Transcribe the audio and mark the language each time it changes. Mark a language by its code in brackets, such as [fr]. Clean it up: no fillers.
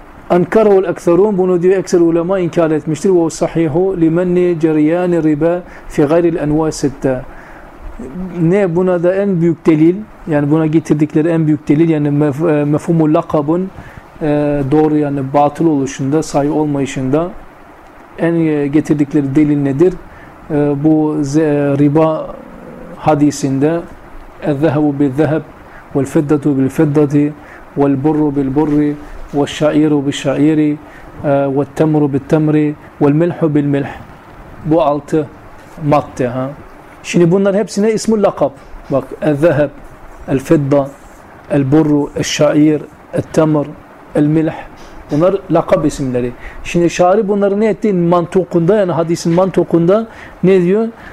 [tr] Ankara ul ekserun bunu diyor ekser ulema inkar etmiştir. Ve sahihu limenni ceryani riba fi gayril enva sitte. Ne buna da en büyük delil yani buna getirdikleri en büyük delil yani mefhumul lakabun doğru yani batıl oluşunda, sahi olmayışında en getirdikleri delil nedir? Bu riba hadisinde [ar] اَذَّهَبُ بِالذَّهَبِ وَالْفِدَّةُ بِالْفِدَّةِ وَالْبُرُّ بِالْبُرِّ وَالشَّعِيرُ بِالشَّعِيرِ وَالْتَمْرُ بِالْتَمْرِ وَالْمِلْحُ بِالْمِلْحِ. [tr] Bu altı madde. Ha? Şimdi bunlar hepsine ismi lakab. Bak, [ar] اَذَّهَبُ الْفِدَّةُ الْبُرُّ الشَّعِيرُ اَتَّمْرُ الْمِلْحُ. [tr] Bunlar lakab isimleri. Şimdi şari bunları ne etti? Mantukunda, yani hadisin mantukunda ne diyor?